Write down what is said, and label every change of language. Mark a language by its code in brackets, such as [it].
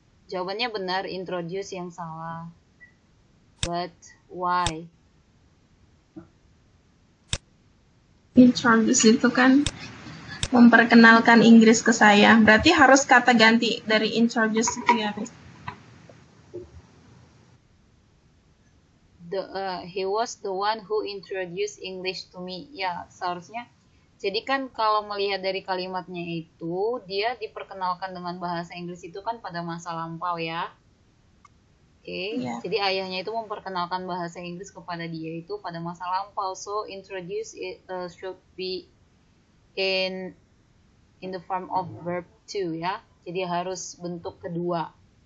[id] Jawabannya benar, introduce yang salah. [en] But why? [id] Introduce itu kan memperkenalkan Inggris ke saya. Berarti harus kata ganti dari introduce itu ya. [en] He was the one who introduced English to me. [id] Ya, seharusnya. Jadi kan kalau melihat dari kalimatnya itu, dia diperkenalkan dengan bahasa Inggris itu kan pada masa lampau ya. Oke, okay. Yeah. Jadi ayahnya itu memperkenalkan bahasa Inggris kepada dia itu pada masa lampau. [en] So, introduce should be in the form of verb to, ya. Yeah? [id] Jadi harus bentuk kedua.